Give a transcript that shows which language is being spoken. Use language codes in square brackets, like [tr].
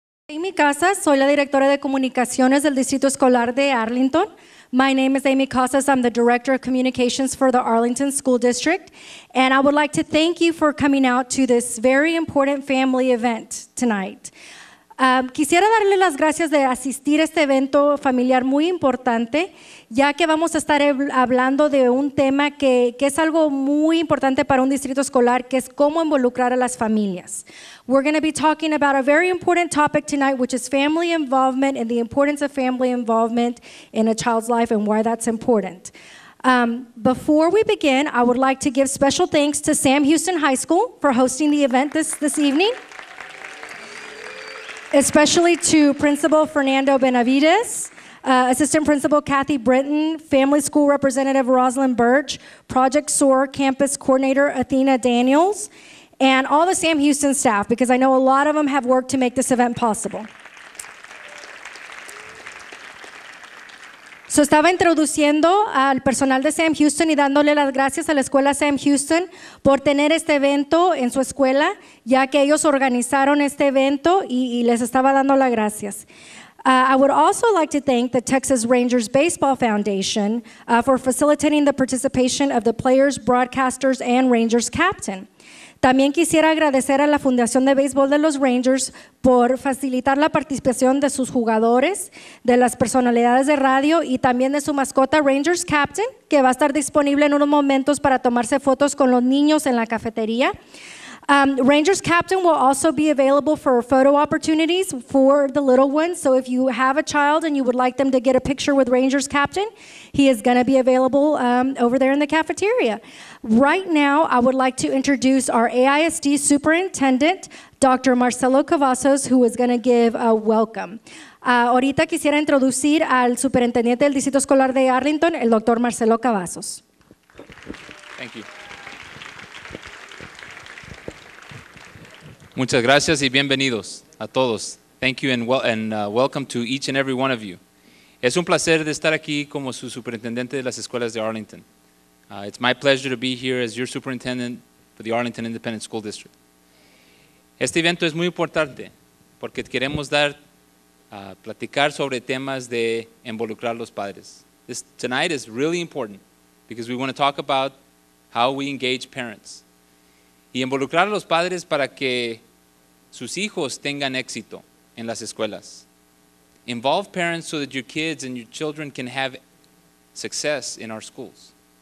[es] En mi casa, soy la directora de comunicaciones del Distrito Escolar de Arlington. [en] My name is Amy Casas. I'm the Director of Communications for the Arlington School District. And I would like to thank you for coming out to this very important family event tonight. [es] Quisiera darle las gracias de asistir a este evento familiar muy importante, ya que vamos a estar hablando de un tema que es algo muy importante para un distrito escolar, que es cómo involucrar a las familias. [en] We're going to be talking about a very important topic tonight, which is family involvement and the importance of family involvement in a child's life and why that's important. Before we begin, I would like to give special thanks to Sam Houston High School for hosting the event this evening. Especially to Principal Fernando Benavides, Assistant Principal Kathy Britton, Family School Representative Roslyn Birch, Project SOAR Campus Coordinator Athena Daniels, and all the Sam Houston staff, because I know a lot of them have worked to make this event possible. [es] So estaba introduciendo al personal de Sam Houston y dándole las gracias a la escuela Sam Houston por tener este evento en su escuela, ya que ellos organizaron este evento y les estaba dando las gracias. [en] I would also like to thank the Texas Rangers Baseball Foundation for facilitating the participation of the players, broadcasters, and Rangers captain. [es] También quisiera agradecer a la Fundación de Béisbol de los Rangers por facilitar la participación de sus jugadores, de las personalidades de radio y también de su mascota Rangers Captain, que va a estar disponible en unos momentos para tomarse fotos con los niños en la cafetería. [en] Rangers Captain will also be available for photo opportunities for the little ones. So if you have a child and you would like them to get a picture with Rangers Captain, he is going to be available over there in the cafeteria. Right now, I would like to introduce our AISD superintendent, Dr. Marcelo Cavazos, who is going to give a welcome. [es] Ahorita quisiera introducir al superintendente del Distrito Escolar de Arlington, el Dr. Marcelo Cavazos. [en] Thank you. [es] Muchas gracias y bienvenidos a todos. [en] Thank you and welcome to each and every one of you. [es] Es un placer de estar aquí como su superintendente de las escuelas de Arlington. [en] It's my pleasure to be here as your superintendent for the Arlington Independent School District. [es] Este evento es muy importante porque queremos platicar sobre temas de involucrar a los padres. [en] This tonight is really important because we want to talk about how we engage parents. [es] Y involucrar a los padres para que sus hijos tengan éxito en las escuelas. [en] Involve parents so that your kids and your children can have success in our schools.